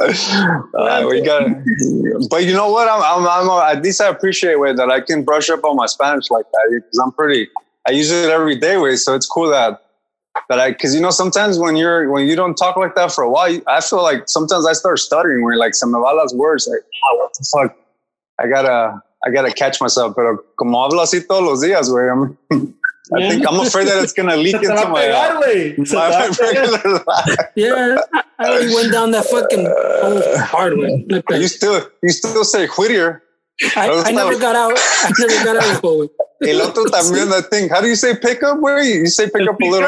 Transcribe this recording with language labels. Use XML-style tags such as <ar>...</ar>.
<en>But you know what? At least I appreciate, wait, that I can brush up on my Spanish like that. Because I use it every day, wait. So it's cool because you know, sometimes when you don't talk like that for a while, I feel like sometimes I start stuttering, where like,</en> <es>se me va las</es> <en>words. Like, oh, what the fuck? I gotta catch myself,</en> <es>pero como hablo así todos los días, güey.</es> <en>I think I'm afraid that it's gonna leak into my regular life. Yeah, I already went down that fucking hard way. You still say Whittier. I never got out.</en> <es>El otro también,</es> <en>I think. How do you say pickup, güey? You say pickup a little</en>